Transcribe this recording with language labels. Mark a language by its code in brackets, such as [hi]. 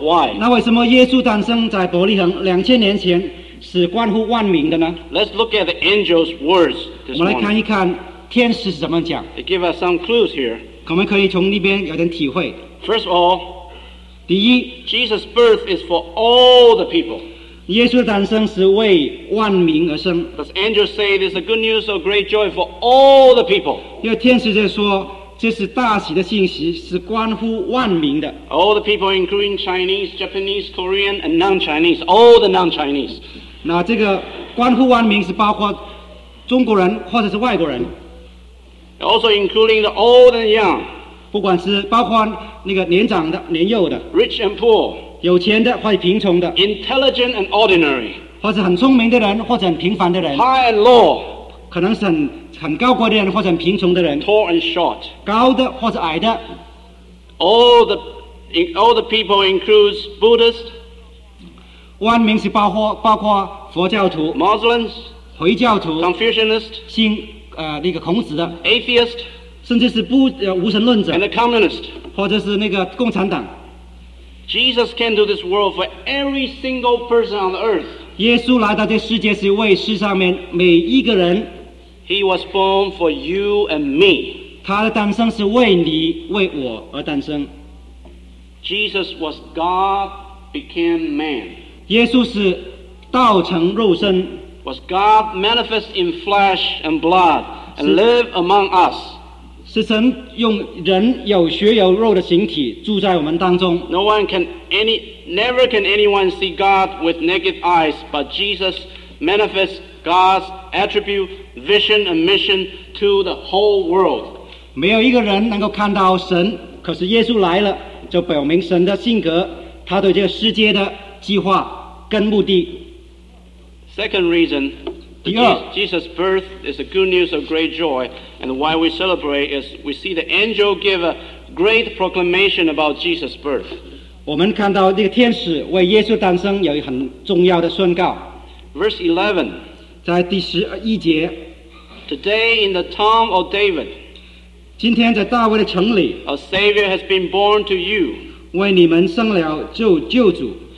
[en] Why? [zh] 那为什么耶稣诞生在伯利恒2000年前是关乎万民的呢？ [en] Let's look at the angels' words this morning. [zh] 我们来看一看天使是怎么讲。 [en] They give us some clues here. [zh] 我们可以从那边有点体会。 [en] First of all, [zh] 第一， [en] Jesus' birth is for all the people. [zh] 耶稣的诞生是为万民而生。 [en] Does angels say this is a good news or great joy for all the people? [zh] 因为天使在说，这是大喜的信息，是关乎万民的。 [en] All the people, including Chinese, Japanese, Korean, and non-Chinese, all the non-Chinese. [zh] 那这个关乎万民是包括中国人或者是外国人。 [en] Also including the old and young. [zh] 不管是包括那个年长的、年幼的 [en] ，rich and poor， [zh] 有钱的或者贫穷的 [en] ，intelligent and ordinary， [zh] 或者很聪明的人或者很平凡的人 [en] ，high and low， [zh] 可能是很高贵的人或者很贫穷的人 [en] ，tall and short， [zh] 高的或者矮的 [en] ，all the people includes Buddhists， [zh] 万民是包括佛教徒 [en] ，Muslims， [zh] 回教徒 [en] ，Confucianists， [zh] 信那个孔子的 [en] ，atheist。 [zh] 甚至是无神论者 [en] and the communist. [zh] 或者是那个共产党 [en] Jesus came to this world for every single person on the earth. [zh] 耶稣来到这世界是为世上面每一个人 [en] He was born for you and me. [zh] 他的诞生是为你为我而诞生 [en] Jesus was God became man. [zh] 耶稣是道成肉身 [en] Was God manifest in flesh and blood and live among us. [zh] 是神用人有血有肉的形体住在我们当中。 [en] No one can never can anyone see God with naked eyes, but Jesus manifests God's attribute, vision, and mission to the whole world. [zh] 没有一个人能够看到神，可是耶稣来了，就表明神的性格，他对这个世界的计划跟目的。 [en] Second reason, Jesus' birth is a good news of great joy, and why we celebrate is we see the angel give a great proclamation about Jesus' birth. [zh] 我们看到这个天使为耶稣诞生有很重要的宣告。 [en] Verse 11, [zh] 在第十一节, [en] Today in the town of David, [zh] 今天在大卫的城里, [en] a Savior has been born to you. [zh] 为你们生了救主。